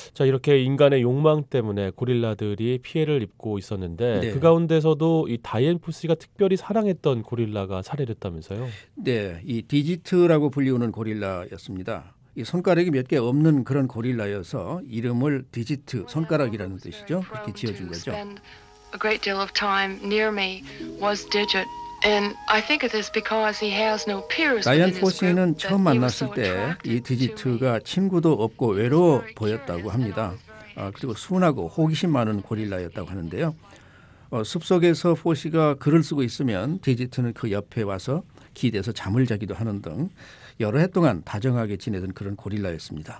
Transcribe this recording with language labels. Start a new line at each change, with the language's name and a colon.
Korean: 자, 이렇게 인간의 욕망 때문에 고릴라들이 피해를 입고 있었는데 네. 그 가운데서도 이 다이앤 포시가 특별히 사랑했던 고릴라가 살해됐다면서요? 네. 이 디지트라고 불리우는 고릴라였습니다. 이 손가락이 몇 개 없는 그런 고릴라여서 이름을 디지트 손가락이라는 뜻이죠. 그렇게 지어준 거죠.
English: A great deal of time near me was Digit. And I think it is because he has no peers.
Korean: 다이앤 포시는 처음 만났을 때 이 디지트가 친구도 없고 외로워 보였다고 합니다. 그리고 순하고 호기심 많은 고릴라였다고 하는데요. 숲속에서 포시가 글을 쓰고 있으면 디지트는 그 옆에 와서 기대서 잠을 자기도 하는 등 여러 해 동안 다정하게 지내던 그런 고릴라였습니다.